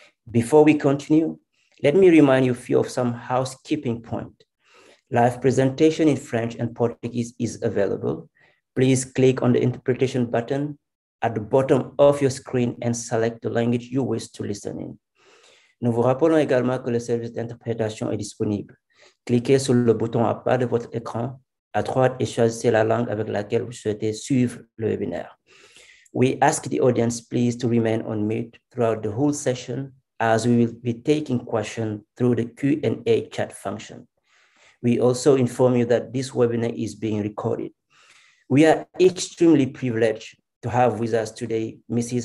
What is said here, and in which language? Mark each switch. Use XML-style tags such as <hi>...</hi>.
<en>Before we continue, let me remind you a few of some housekeeping points. Live presentation in French and Portuguese is available. Please click on the interpretation button at the bottom of your screen and select the language you wish to listen in.</en> <fr>Nous vous rappelons également que le service d'interprétation est disponible. Cliquez sur le bouton à bas de votre écran à droite et choisissez la langue avec laquelle vous souhaitez suivre le webinaire.</fr> <en>We ask the audience please to remain on mute throughout the whole session as we will be taking questions through the Q&A chat function. We also inform you that this webinar is being recorded. We are extremely privileged to have with us today Mrs.</en>